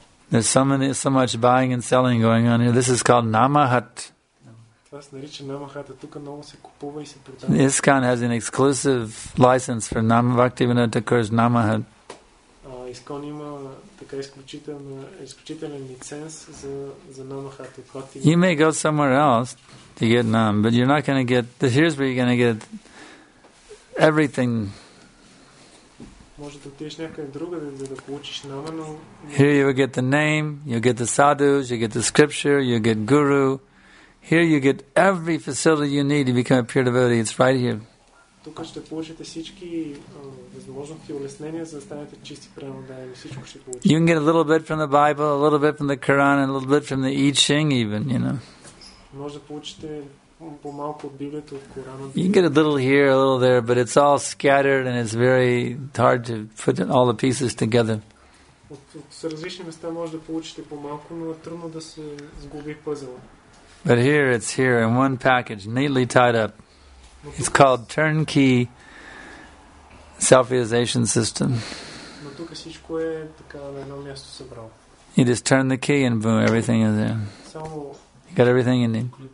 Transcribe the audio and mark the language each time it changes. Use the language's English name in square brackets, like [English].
[English] There's so much buying and selling going on here. This is called Namahat. ISKCON has an exclusive license for Bhaktivinoda Thakur's Namahat. [Bulgarian] ISKCON има така изключителен лиценз за Namahat. [English] You may go somewhere else to get Nam, but you're not going to get. Here's where you're going to get everything. Here you will get the name, you'll get the sadhus, you get the scripture, you get guru. Here you get every facility you need to become a pure devotee. It's right here. [Bulgarian] Тук ще получите всички възможности и улеснения, за да станете чисти прямо да е всичко ще получите. [English] You can get a little bit from the Bible, a little bit from the Quran, and a little bit from the I Ching even, you know. [Bulgarian] Може да получите по-малко от Библията, от Корана. [English] You can get a little here, a little there, but it's all scattered and it's very hard to put all the pieces together. [Bulgarian] От различни места може да получите по-малко, но е трудно да се сгуби пъзела. [English] But here, it's here in one package, neatly tied up. It's called turnkey self-realization system. You just turn the key and boom, everything is there. You got everything you need.